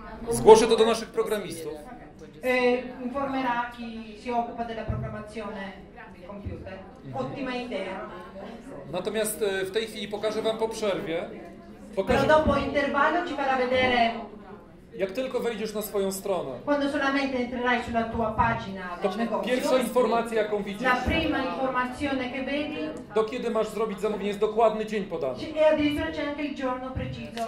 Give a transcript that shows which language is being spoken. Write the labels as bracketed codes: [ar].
[pl] Zgłoszę to do naszych programistów. [it] Informerà chi si occupa della programmazione del computer. Ottima idea. [pl] Natomiast w tej chwili pokażę wam po przerwie. Pokażę. [it] Però dopo intervallo ci farà vedere. [pl] Jak tylko wejdziesz na swoją stronę. [it] Quando solamente entrerai sulla tua pagina. [pl] To pierwsza informacja, jaką widzisz. [it] La prima informazione che vedi. [pl] Do kiedy masz zrobić zamówienie, jest dokładny dzień podany. [it] E addirittura c'è anche il giorno preciso.